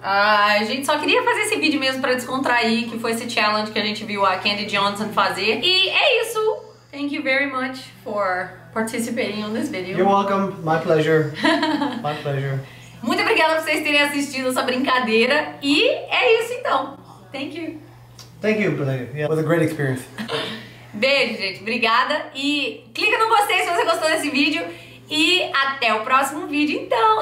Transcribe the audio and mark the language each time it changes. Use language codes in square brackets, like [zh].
[pt] A gente só queria fazer esse vídeo mesmo pra descontrair, que foi esse challenge que a gente viu a Candy Johnson fazer. E é isso. [en] Thank you very much for participating on this video. You're welcome. My pleasure. My pleasure. [pt] Muito obrigada por vocês terem assistido essa brincadeira. E é isso então. [en] Thank you. Thank you, Belinda. Yeah, it was a great experience. [pt] Beijo, gente. Obrigada. E clica no gostei se você gostou desse vídeo. E até o próximo vídeo, então.